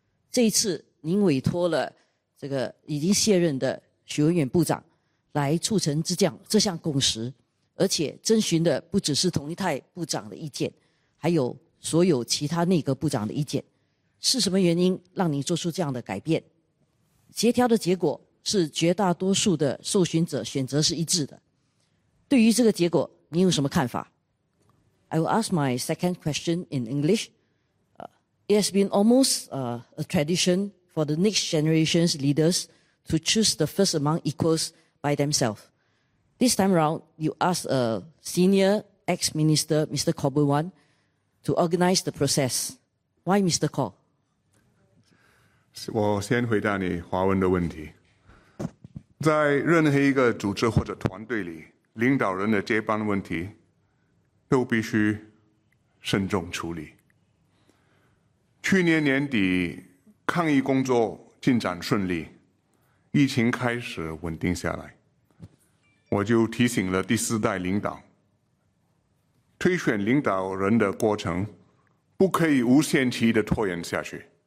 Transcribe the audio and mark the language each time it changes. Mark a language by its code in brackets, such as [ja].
[zh] 这一次您委托了这个已经卸任的许文远部长来促成这项共识，而且征询的不只是同一代部长的意见，还有所有其他内阁部长的意见。是什么原因让您做出这样的改变？协调的结果 是绝大多数的受询者选择是一致的。对于这个结果，您有什么看法？ [en] I will ask my second question in English. It has been almost a tradition for the next generation's leaders to choose the first among equals by themselves. This time round, you ask a senior ex-minister, Mr. Kaw Boon Wan, to organize the process. Why Mr. Kaw? [zh] 我先回答你华文的问题。在任何一个组织或者团队里，领导人的接班问题都必须慎重处理。去年年底抗疫工作进展顺利，疫情开始稳定下来，我就提醒了第四代领导，推选领导人的过程不可以无限期的拖延下去。